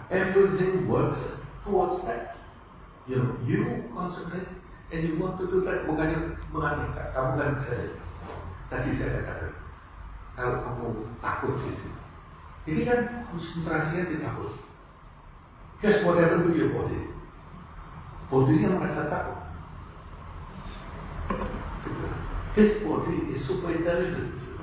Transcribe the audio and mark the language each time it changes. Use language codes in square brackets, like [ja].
[en] Everything works towards that. You know, you concentrate and you want to do that. [id] Bukannya mengandalkan kamu kan saya. Tadi saya katakan, kalau kamu takut itu, ini kan konsentrasinya ditakut. [en] Guess what happened to your body? [id] Bodinya merasa takut. [en] This body is super intelligent.